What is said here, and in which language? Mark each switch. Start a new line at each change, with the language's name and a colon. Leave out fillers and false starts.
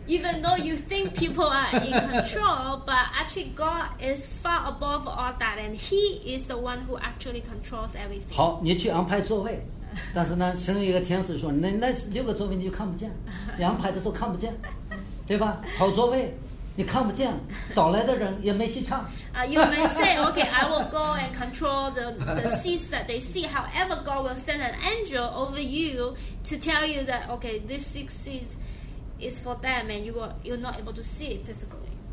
English: even though you think people are in control but actually God is far above all that and he is the one who actually controls everything
Chinese: 好你去安排座位但是呢神一个天使说那六个座位你就看不见你安排的时候看不见对吧好座位你看不见，早来的人也没戏唱。
English: You may say, okay, I will go and control the seats that they see. However, God will send an angel over you to tell you that, okay, these six seats is for them, and you're not able to see it physically.